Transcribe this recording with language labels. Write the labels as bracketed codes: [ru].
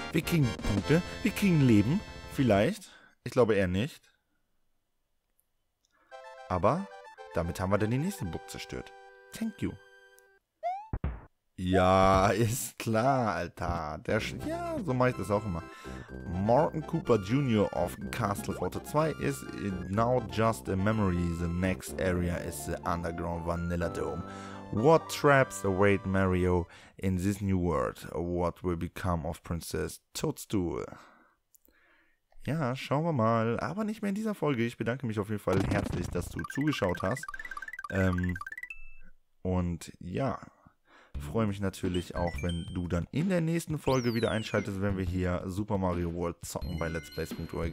[de] Wir kriegen Punkte, wir kriegen Leben. Vielleicht. Ich glaube eher nicht. Aber damit haben wir dann den nächsten Bug zerstört. [en] Thank you. [de] Ja, ist klar, Alter. Ja, so mache ich das auch immer. [en] Morton Cooper Jr. of Castle Forte 2 is now just a memory. The next area is the underground Vanilla Dome. What traps await Mario in this new world? What will become of Princess Toadstool? [de] Ja, schauen wir mal. Aber nicht mehr in dieser Folge. Ich bedanke mich auf jeden Fall herzlich, dass du zugeschaut hast. Und ja... Freue mich natürlich auch, wenn du dann in der nächsten Folge wieder einschaltest, wenn wir hier Super Mario World zocken bei letsplays.org.